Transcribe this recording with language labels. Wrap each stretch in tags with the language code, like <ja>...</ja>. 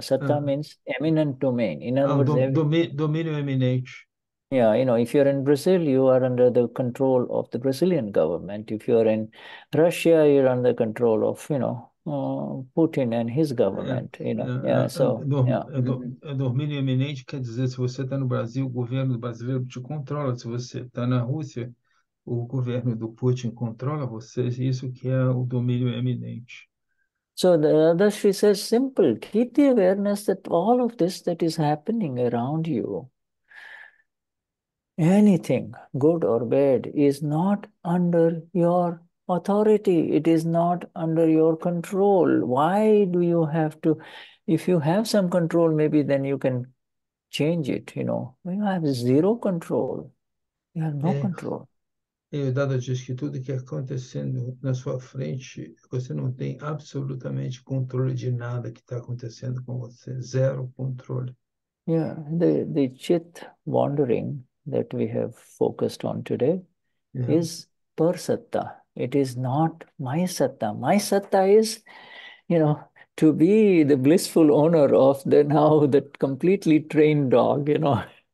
<en>Satta means eminent domain. In other words,</en> <pt>dominio eminente.</pt> <en>Yeah, you know, if you're in Brazil, you are under the control of the Brazilian government. If you're in Russia, you're under the control of, you know, Putin and his government, you know.</en> <pt>Dominio eminente quer dizer, se você está no Brasil, o governo brasileiro te controla. Se você está na Rússia, o governo do Putin controla vocês. Isso que é o domínio eminente.</pt> <en>So Dadashri says, simple, keep the awareness that all of this that is happening around you, anything, good or bad, is not under your authority. It is not under your control. Why do you have to, if you have some control, maybe then you can change it, you know. When you have zero control, you have no control.</en> <pt>E o Dada diz que tudo que é acontecendo na sua frente, você não tem absolutamente controle de nada que está acontecendo com você. Zero controle.</pt> <en>Yeah, the chit wandering that we have focused on today is per satta. It is not my satta. My satta is, you know, to be the blissful owner of the now that completely trained dog, you know.</en>